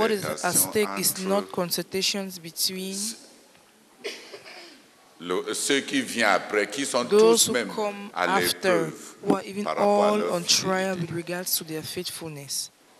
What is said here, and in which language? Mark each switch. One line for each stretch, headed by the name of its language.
English: What is at stake is not concertations between
French: ceux qui viennent après, qui sont tous même à l'épreuve,
English: who are even all on trial with regards to their faithfulness.